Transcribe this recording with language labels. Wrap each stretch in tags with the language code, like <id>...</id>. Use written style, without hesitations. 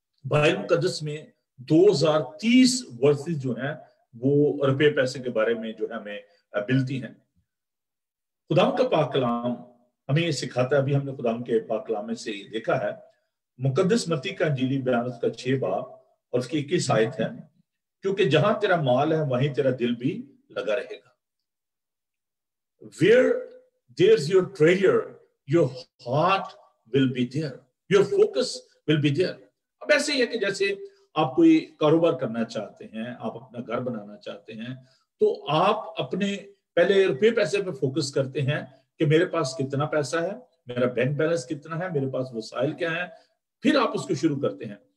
<hi>Bible मुकद्दस में 2030 versus जो है वो रुपए पैसे के बारे में जो है हमें मिलती हैं। खुदाम का पाक कलाम हमें ये सिखाता है, अभी हमने खुदाम के पाक कलाम में से ये देखा है, मुकद्दस मत्ती का अंजीली बयान का 6 बाब और उसकी 21 आयत है, क्योंकि जहां तेरा माल है वहीं तेरा दिल भी लगा रहेगा।</hi> <en>Where there's your treasure, your heart will be there, your focus will be there.</en> <hi>अब ऐसे ही है कि जैसे आप कोई कारोबार करना चाहते हैं, आप अपना घर बनाना चाहते हैं, तो आप अपने पहले रुपये पैसे पर फोकस करते हैं कि मेरे पास कितना पैसा है, मेरा बैंक बैलेंस कितना है, मेरे पास वसाइल क्या है, फिर आप उसको शुरू करते हैं।</hi>